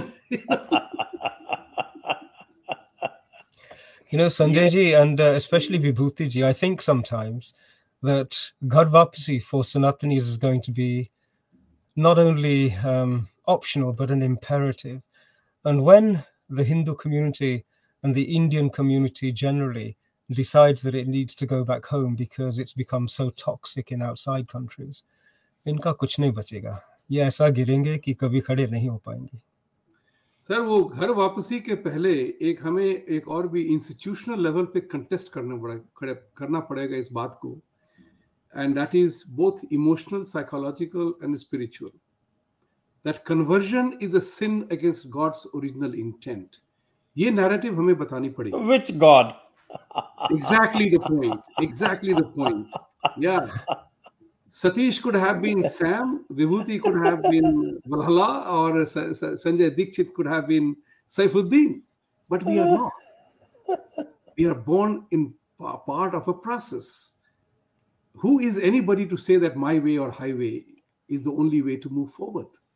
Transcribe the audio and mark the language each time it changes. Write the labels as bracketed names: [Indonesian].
[English] You know, Sanjayji, and especially Vibhutiji, I think sometimes that ghar vapasi for Sanatanis is going to be not only optional, but an imperative. And when the Hindu community and the Indian community generally decides that it needs to go back home because it's become so toxic in outside countries, [Hindi] इनका कुछ नहीं बचेगा, ये ऐसा गिरेंगे कि कभी खड़े नहीं हो पाएंगे. सर वो घर वापसी के पहले एक हमें एक और भी इंस्टीट्यूशनल लेवल पे कंटेस्ट करना पड़ेगा इस बात को, [English] And that is both emotional psychological and spiritual. That conversion is a sin against God's original intent, [Hindi] ये नैरेटिव हमें बतानी पड़ेगी. [English] Which God? Exactly the point. या Satish could have been Sam, Vibhuti could have been Valhalla, or Sanjay Dixit could have been Saifuddin, but we are not. We are born in part of a process. Who is anybody to say that my way or highway is the only way to move forward?